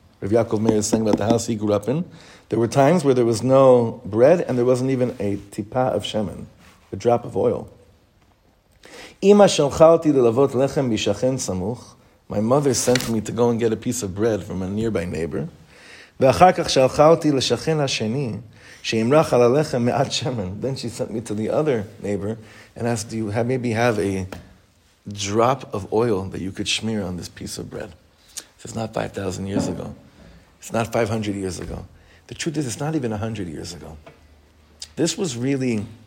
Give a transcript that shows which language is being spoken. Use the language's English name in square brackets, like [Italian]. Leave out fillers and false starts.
[English] Rav Ya'akov Meir is saying about the house he grew up in. There were times where there was no bread and there wasn't even a tipa of shemen, a drop of oil. [Hebrew] Ima shalchalti lelavot lechem bishachen samuch. [English] My mother sent me to go and get a piece of bread from a nearby neighbor. [Hebrew] ואחר כך שלחה אותי לשכן השני, שימרח על הלחם מעט שמן. [English] Then she sent me to the other neighbor and asked, do you have, maybe have a drop of oil that you could smear on this piece of bread? It's not 5,000 years ago. It's not 500 years ago. The truth is, it's not even 100 years ago. This was really...